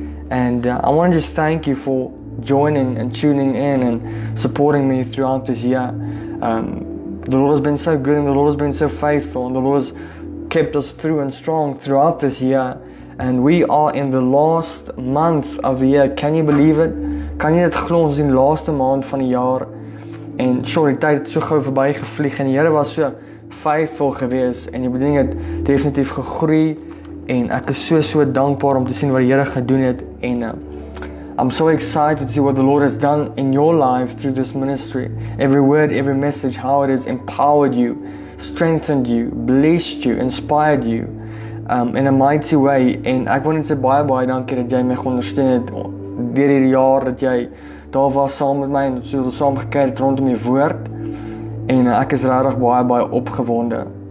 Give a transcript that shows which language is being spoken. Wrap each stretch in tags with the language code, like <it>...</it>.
<en>And I want to just thank you for joining and tuning in and supporting me throughout this year. The Lord has been so good and the Lord has been so faithful and the Lord has kept us through and strong throughout this year. And we are in the last month of the year. Can you believe it?</en> <af>Kan jy dit glo, ons in die laaste maand van die jaar? En die tyd het so gou verby gevlieg en die Here was so faithful geweest en die bediening het definitief gegroei en ek is so dankbaar om te sien wat die Here gedoen het.</af> <en>En I'm so excited to see what the Lord has done in your life through this ministry. Every word, every message, how it has empowered you, strengthened you, blessed you, inspired you in a mighty way.</en> <af>En ek wil net sê baie dankie dat jy my ondersteun het deur hierdie jaar, dat jy daar was saam met my en dat jy saam gekeer het rondom die woord. En ek is regtig baie opgewonde.</af>